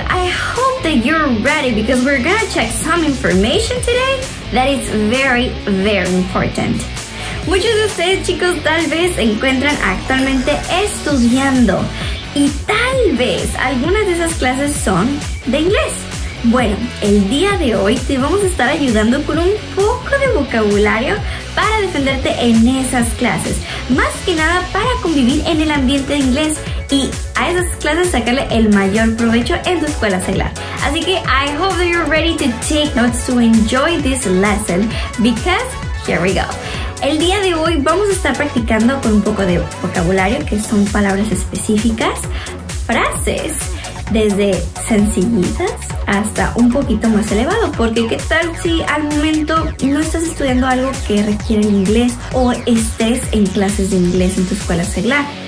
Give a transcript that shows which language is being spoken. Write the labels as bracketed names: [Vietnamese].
[English] I hope that you're ready because we're gonna check some information today that is very, very important. [Spanish] Muchos de ustedes, chicos, tal vez se encuentran actualmente estudiando y tal vez algunas de esas clases son de inglés. Bueno, el día de hoy te vamos a estar ayudando con un poco de vocabulario para defenderte en esas clases. Más que nada para convivir en el ambiente de inglés y a esas clases sacarle el mayor provecho en tu escuela seglar. Así que [English] I hope that you're ready to take notes to enjoy this lesson because here we go. [Spanish] El día de hoy vamos a estar practicando con un poco de vocabulario que son palabras específicas, frases, desde sencillitas hasta un poquito más elevado, porque qué tal si al momento no estás estudiando algo que requiere el inglés o estés en clases de inglés en tu escuela seglar.